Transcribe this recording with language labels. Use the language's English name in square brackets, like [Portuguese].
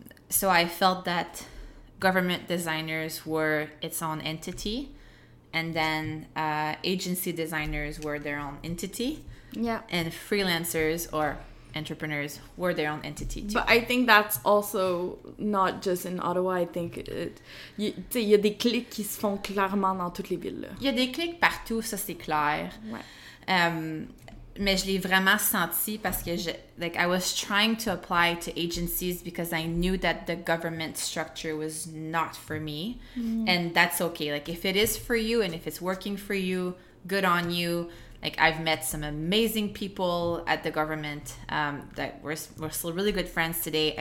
[English] So I felt that government designers were its own entity, and then agency designers were their own entity. Yeah. And freelancers or entrepreneurs were their own entity too. But I think that's also not just in Ottawa. I think [French] il y a des clics qui se font clairement dans toutes les villes. Il y a des clics partout, ça c'est clair. Ouais. Mais je l'ai vraiment senti parce que [English] I was trying to apply to agencies because I knew that the government structure was not for me. Mm. And that's okay. Like, if it is for you and if it's working for you, good on you. Like, I've met some amazing people at the government that we're still really good friends today.